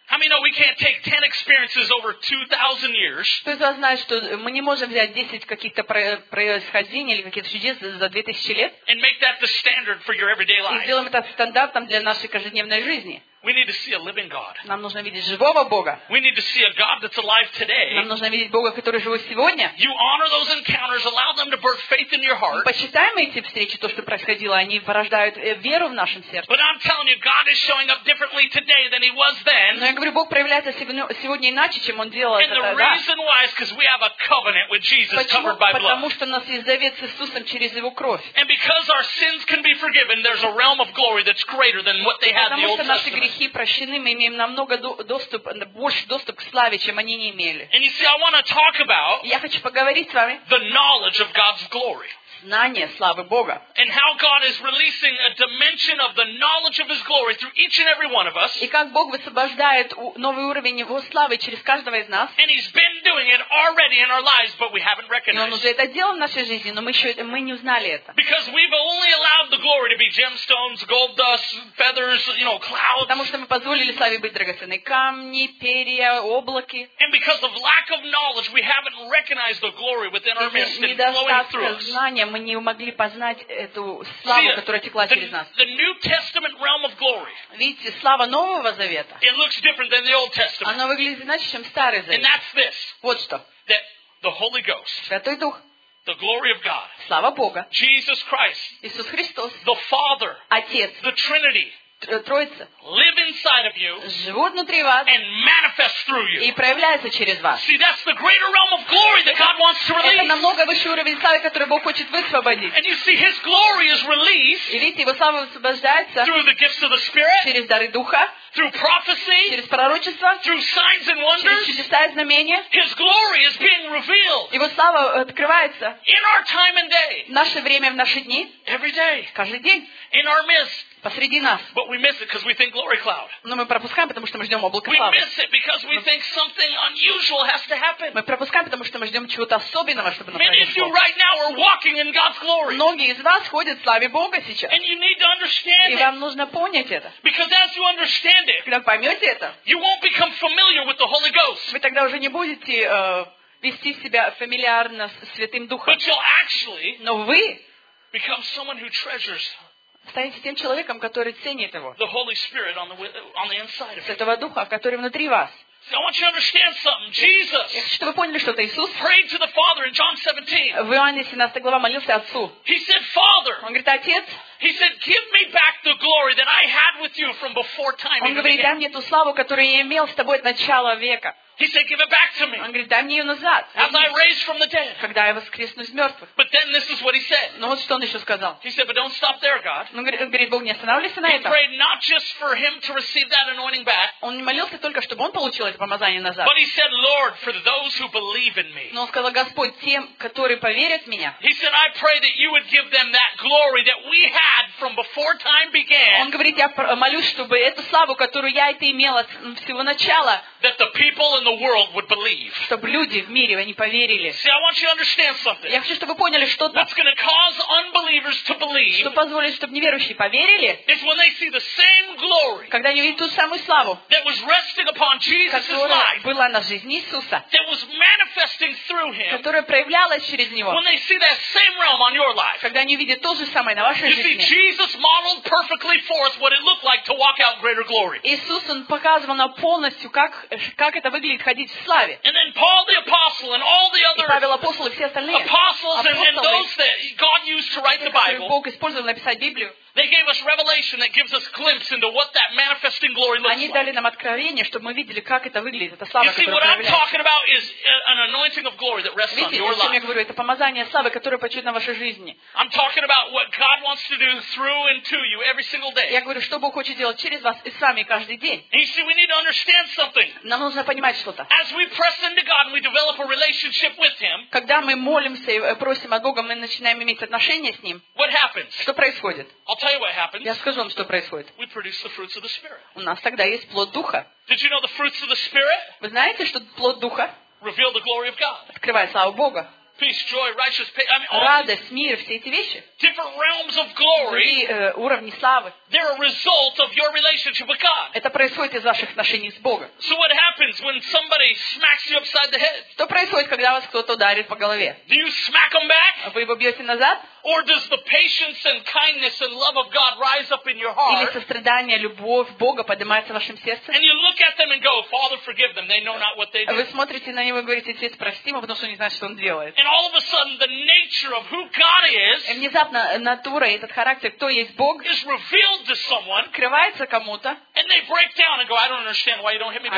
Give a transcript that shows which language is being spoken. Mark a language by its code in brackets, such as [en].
[en] How many know we can't take 10 experiences over 2,000 years? [ru] Кто из вас знает, что мы не можем взять 10 каких-то происхождений или каких-то чудес за 2000 лет? [en] And make that the standard for your everyday life. [ru] И сделаем это стандартом для нашей каждодневной жизни. [en] We need to see a living God. [ru] Нам нужно видеть живого Бога. [en] We need to see a God that's alive today. [ru] Нам нужно видеть Бога, который живой сегодня. [en] You honor those encounters, allow them to birth faith in your heart. [ru] Мы почитаем эти встречи, то, что происходило, они порождают веру в нашем сердце. [en] But I'm telling you, God is showing up differently today than He was then. [ru] Но я говорю, Бог проявляется сегодня иначе, чем Он делал тогда. [en] And the reason why is because we have a covenant with Jesus covered by blood. [ru] Потому что у нас есть завет с Иисусом через Его кровь. [en] And because our sins can be forgiven, there's a realm of glory that's greater than what they had in the Old Testament. [ru] Грехи прощены, мы имеем намного доступ, больше доступ к славе, чем они не имели. [en] And you see, I want to talk about [ru] я хочу поговорить с вами [en] the knowledge of God's glory. [ru] знание славы Бога. [en] And how God is releasing a dimension of the knowledge of His glory through each and every one of us. [ru] И как Бог высвобождает новый уровень Его славы через каждого из нас. [en] And He's been doing it already in our lives, but we haven't recognized. [ru] Он уже это делал в нашей жизни, но мы не узнали это. [en] Because we've only allowed the glory to be gemstones, gold dust, feathers, you know, clouds. [ru] Потому что мы позволили славе быть драгоценной: камни, перья, облаки. [en] And because of lack of knowledge, we haven't recognized the glory within our midst and flowing through us. [ru] Знания, мы не могли познать эту славу, которая текла через нас. [en] The New Testament realm of glory. [ru] Видите, слава Нового Завета. [en] It looks different than the Old Testament. [ru] Она выглядит иначе, чем Старый Завет. [en] And that's this. [ru] Вот что. [en] That the Holy Ghost. [ru] Святой Дух. [en] The glory of God. [ru] Слава Бога. [en] Jesus Christ. [ru] Иисус Христос. [en] The Father. [ru] Отец. [en] The Trinity. [ru] Троица. [en] Live inside of you. [ru] Живут внутри вас. [en] And manifest through you. [ru] И проявляются через вас. [en] See, that's the greater realm of glory that God wants to release. [ru] Это намного выше уровень славы, который Бог хочет высвободить. [en] And you see, His glory is released. [ru] И видите, Его слава высвобождается. [en] Through the gifts of the Spirit. [ru] Через дары Духа. [en] Through prophecy. [ru] Через пророчество. [en] Through signs and wonders. [ru] Через чудеса и знамения. [en] His glory is being revealed. [ru] Его слава открывается. [en] In our time and day. [ru] В наше время, в наши дни. [en] Every day. [ru] Каждый день. [en] In our midst. [ru] Посреди нас. [en] But we miss it because we think glory cloud. [ru] Но мы пропускаем, потому что мы ждем облако славы. [en] We miss it because we think something unusual has to happen. [ru] Мы пропускаем, потому что мы ждем чего-то особенного, чтобы наступило. [en] Many of you right now are walking in God's glory. [ru] Многие из вас ходят в славе Бога сейчас. [en] And you need to understand. [ru] И вам нужно понять это. [en] Because as you understand it, [ru] когда поймете это, [en] you won't become familiar with the Holy Ghost. [ru] Вы тогда уже не будете вести себя фамильярно с Святым Духом. [en] But you'll actually, [ru] но вы, [en] become someone who treasures. [ru] Станете тем человеком, который ценит его. [en] The Holy Spirit on the inside of you. [ru] Святого Духа, который внутри вас. [en] I want you to understand something. Jesus. [ru] Я хочу, чтобы вы поняли что-то. Иисус. [en] Prayed to the Father in John 17. [ru] В Иоанне 17 глава молился Отцу. [en] He said, Father. [ru] Он говорит, Отец. [en] He said, Give me back the glory that I had with you from before time. [ru] Он говорит, дай мне ту славу, которую я имел с тобой от начала века. [en] He said, Give it back to me. [ru] Он говорит, дай мне ее назад. [en] As I raised from the dead. [ru] Когда я воскресну из мертвых. [en] But then this is what he said. [ru] Но вот что он еще сказал. [en] He said, But don't stop there, God. [ru] Он говорит, Бог, не останавливайся на этом. [en] He prayed not just for him to receive that anointing back. [ru] Он не молился только, чтобы он получил это помазание назад. [en] But he said, Lord, for those who believe in me. [ru] Но он сказал, Господь, тем, которые поверят в меня. [en] He said, I pray that you would give them that glory that we had from before time began. [ru] Он говорит, я молюсь, чтобы эту славу, которую я это имела с всего начала. [en] That the people in the world would believe. [ru] Чтобы люди в мире они поверили. [en] See, I want you to understand something. [ru] Я хочу, чтобы вы поняли что-то. [en] What's going to cause unbelievers to believe? [ru] Что позволит, чтобы неверующие поверили? [en] Is when they see the same glory. [ru] Когда они увидят ту самую славу. [en] That was resting upon Jesus' life. [ru] Которая была на жизни Иисуса. [en] That was manifesting through him. [ru] Которая проявлялась через него. [en] When they see that same realm on your life. [ru] Когда они увидят то же самое на вашей жизни. [en] You see, Jesus modeled perfectly for us what it looked like to walk out greater glory. [ru] Иисус он показывал нам полностью как это выглядит ходить в славе. [en] And then Paul the apostle and all the other apostles and those that God used to write the Bible. [ru] Бог использовал написать Библию. [en] They gave us revelation that gives us glimpse into what that manifesting glory looks like. [ru] Они дали нам откровение, чтобы мы видели, как это выглядит, эта слава, которая проявляется. [en] You see, what I'm talking about is an anointing of glory that rests on your life. [ru] Видите, о чем я говорю? Это помазание славы, которое почует на вашей жизни. [en] I'm talking about what God wants to do through and to you every single day. [ru] Я говорю, что Бог хочет делать через вас и с вами каждый день. [en] You see, we need to understand something. [ru] Нам нужно понимать что-то. [en] As we press into God and we develop a relationship with Him. [ru] Когда мы молимся и просим о Боге, мы начинаем иметь отношения с Ним. [en] What happens? [ru] Что происходит? Я скажу вам, что происходит. У нас тогда есть плод Духа. [en] Did you know the fruits of the Spirit? [ru] Вы знаете, что плод Духа? [en] Reveal the glory of God. [ru] Открывает славу Бога. [en] Peace, joy, righteous, pain. I mean, [ru] радость, мир, все эти вещи. [en] Different realms of glory. [ru] Уровни славы. [en] They're a result of your relationship with God. [ru] Это происходит из ваших отношений с Богом. [en] So what happens when somebody smacks you upside the head? [ru] Что происходит, когда вас кто-то ударит по голове? [en] Do you smack them back? [ru] Вы его бьете назад? [en] Or does the patience and kindness and love of God rise up in your heart? [ru] Или сострадание, любовь Бога поднимается в вашем сердце? [en] And you look at them and go, Father, forgive them. They know not what they do. [ru] Вы смотрите на него и говорите, Отец, прости его, потому что он не знает, что он делает. [en] And all of a sudden, the nature of who God is. [ru] И внезапно натура, этот характер, кто есть Бог, [en] is revealed to someone. [ru] Открывается кому-то. [en] And they break down and go, I don't understand why you don't hit me back.